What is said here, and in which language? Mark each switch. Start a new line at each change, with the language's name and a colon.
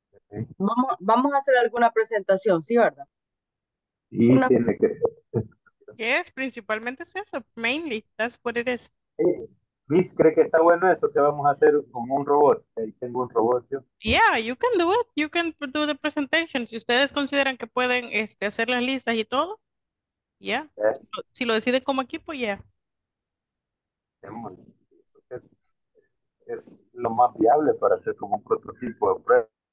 Spanish: Okay. Vamos a hacer alguna presentación, ¿sí, verdad? Sí, una... tiene que ser. ¿Qué es? Principalmente es eso,
English: mainly, that's what it is.
Spanish: Miss, ¿cree que está bueno eso que vamos a hacer con un robot? Ahí tengo un robot, yo.
English: Yeah, you can do it, you can do the presentation.
Spanish: Si ustedes consideran que pueden hacer las listas y todo, yeah. Yes. Si lo deciden como equipo, yeah. Es lo más viable para hacer como un prototipo de prueba.